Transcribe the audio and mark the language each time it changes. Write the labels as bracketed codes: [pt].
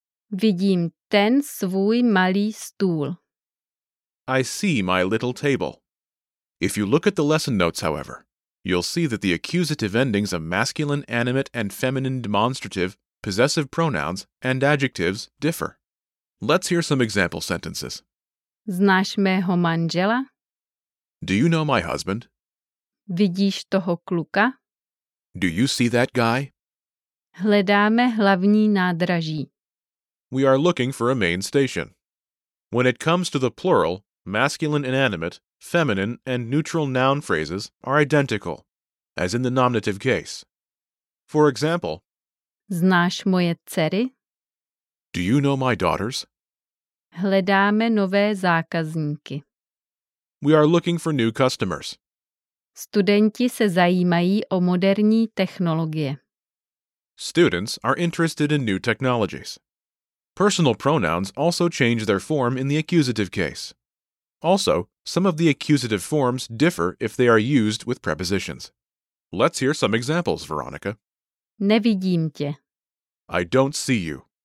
[cs] Vidím ten svůj malý stůl. [en] I see my little table. If you look at the lesson notes, however, you'll see that the accusative endings of masculine, animate, and feminine demonstrative, possessive pronouns, and adjectives differ. Let's hear some example sentences. [cs] Znáš mého manžela? [en] Do you know my husband? [cs] Vidíš toho kluka? [en] Do you see that guy? [cs] Hledáme hlavní nádraží. [en] We are looking for a main station. When it comes to the plural, masculine inanimate, feminine, and neutral noun phrases are identical, as in the nominative case. For example, [cs] Znáš moje dcery? [en] Do you know my daughters? [cs] Hledáme nové zákazníky. [en] We are looking for new customers. [cs] Studenti se zajímají o moderní technologie. [en] Students are interested in new technologies. Personal pronouns also change their form in the accusative case. Also, some of the accusative forms differ if they are used with prepositions. Let's hear some examples, Veronica. [cs] Nevidím tě. [en] I don't see you.